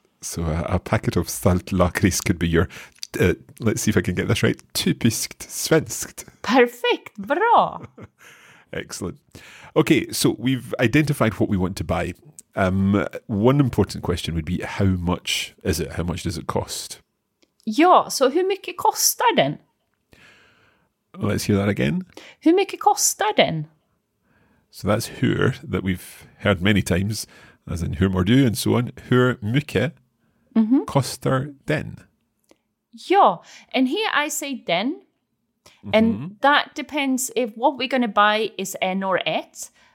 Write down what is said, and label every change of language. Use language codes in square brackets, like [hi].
[en] So a packet of salt licorice could be your, let's see if I can get this right, [sv] typiskt svenskt. [en] Perfect, bra. Excellent. Okay, so we've identified what we want to buy. One important question would be, how much is it? How much does it cost? [sv] Ja, så hur mycket kostar den? [en] Let's hear that again. [sv] Hur mycket kostar den? [en] So that's hur that we've heard many times, as in [sv] hur mår du [en] and so on. [sv] Hur mycket kostar den? [en] Ja, and here I say den. And that depends if what we're going to buy is en or et.